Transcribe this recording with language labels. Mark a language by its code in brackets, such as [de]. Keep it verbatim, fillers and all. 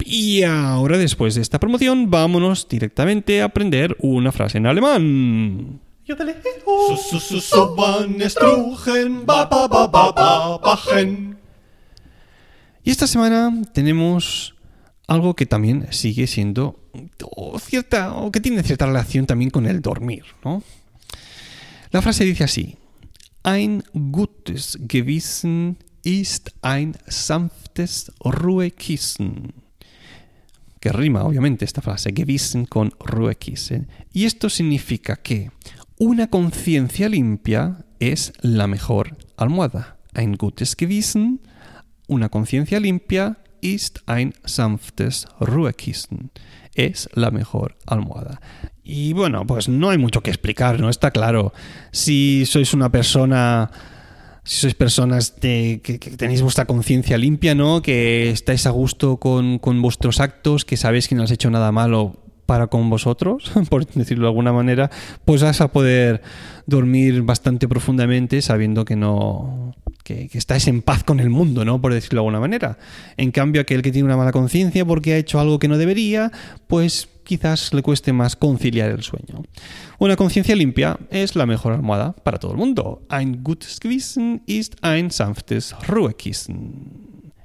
[es] Y ahora, después de esta promoción, vámonos directamente a aprender una frase en alemán. Yo te leo. Y esta semana tenemos algo que también sigue siendo o cierta, o que tiene cierta relación también con el dormir, ¿no? La frase dice así: [de] Ein gutes Gewissen ist ein sanftes Ruhekissen. [es] que rima obviamente esta frase, gewissen con Ruhekissen. Y esto significa que una conciencia limpia es la mejor almohada. [de] Ein gutes Gewissen, [es] una conciencia limpia, [de] ist ein sanftes Ruhekissen. [es] Es la mejor almohada. Y bueno, pues no hay mucho que explicar, ¿no? Está claro. Si sois una persona... Si sois personas de, que, que tenéis vuestra conciencia limpia, ¿no? Que estáis a gusto con, con vuestros actos, que sabéis que no has hecho nada malo para con vosotros, por decirlo de alguna manera, pues vas a poder dormir bastante profundamente sabiendo que no... Que, que estáis en paz con el mundo, ¿no? Por decirlo de alguna manera. En cambio, aquel que tiene una mala conciencia porque ha hecho algo que no debería, pues quizás le cueste más conciliar el sueño. Una conciencia limpia es la mejor almohada para todo el mundo. [de] Ein gutes Gewissen ist ein sanftes Ruhekissen.